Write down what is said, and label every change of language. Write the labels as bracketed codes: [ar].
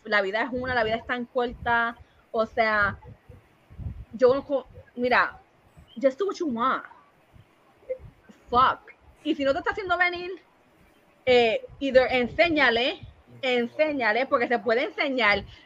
[es] La vida es una, la vida es tan corta. O sea, yo, mira, [en] just do what you want. Fuck. [es] Y si no te está haciendo venir, either enséñale, porque se puede enseñar.